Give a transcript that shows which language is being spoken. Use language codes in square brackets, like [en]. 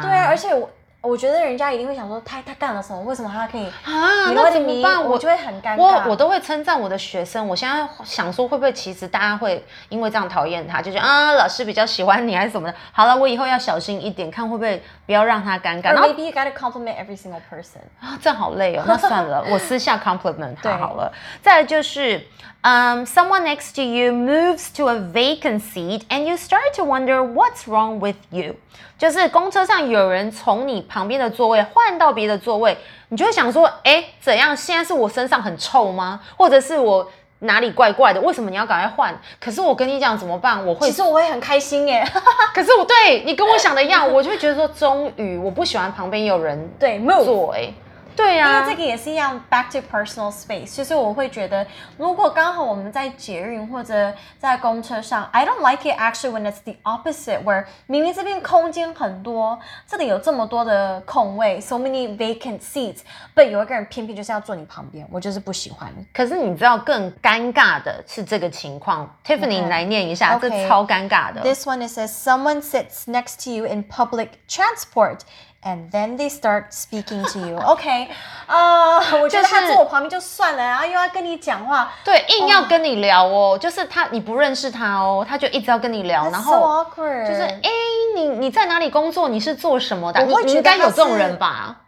[zh] 对啊，而且我觉得人家一定会想说他干了什么，为什么他可以啊，那怎么办？我就会很尴尬。我都会称赞我的学生，我现在想说会不会其实大家会因为这样讨厌他，就觉得啊老师比较喜欢你还是什么的，好了我以后要小心一点，看会不会不要让他尴尬。 [en] Or maybe you gotta compliment every single person. [zh] 这样好累哦，那算了我私下 compliment 他好了。再来就是 [en] someone next to you moves to a vacant seat and you start to wonder what's wrong with you. [zh] 就是公车上有人从你旁边的座位换到别的座位，你就会想说，诶，怎样？现在是我身上很臭吗？或者是我哪里怪怪的？为什么你要赶快换？可是我跟你讲怎么办？我会，其实我会很开心耶。可是我对你跟我想的一样，我就会觉得说，终于我不喜欢旁边有人对 move 坐哎，对啊，因为这个也是一样 [en] back to personal space， [zh] 就是我会觉得，如果刚好我们在捷运或者在公车上 ， [en] I don't like it actually when it's the opposite， [zh] where 明明这边空间很多，这里有这么多的空位 ， [en] so many vacant seats， [zh] but 有一个人偏偏就是要坐你旁边，我就是不喜欢。可是你知道更尴尬的是这个情况 ，Tiffany、okay. 来念一下， okay. 这超尴尬的。 [en] This one is says someone sits next to you in public transport。 And then they start speaking to you. [zh] Okay, 我觉得他坐我旁边就算了，然后又要跟你讲话，对，硬要跟你聊哦。就是他，你不认识他哦，他就一直要跟你聊，然后 [en] so awkward. [zh] 就是你在哪里工作？你是做什么的？我会觉得你应该有这种人吧。